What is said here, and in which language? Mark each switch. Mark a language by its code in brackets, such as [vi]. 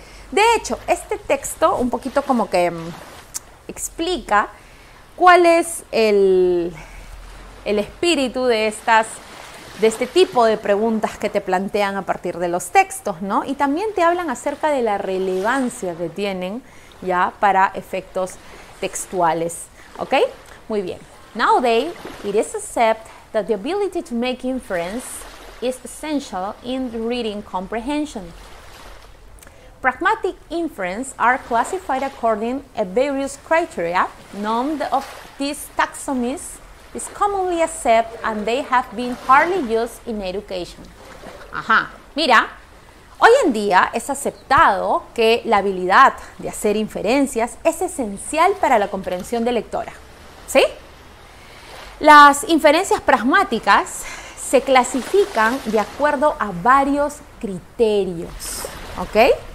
[es] De hecho, este texto un poquito como que explica cuál es el espíritu de estas, de este tipo de preguntas que te plantean a partir de los textos, ¿no? Y también te hablan acerca de la relevancia que tienen ya para efectos textuales, ¿ok? Muy bien. [en] Nowadays, it is accepted that the ability to make inference is essential in reading comprehension. Pragmatic inference are classified according a various criteria. None of these taxonomies is commonly accepted and they have been hardly used in education. [es] Ajá, mira, hoy en día es aceptado que la habilidad de hacer inferencias es esencial para la comprensión de lectora. ¿Sí? Las inferencias pragmáticas se clasifican de acuerdo a varios criterios, ¿ok?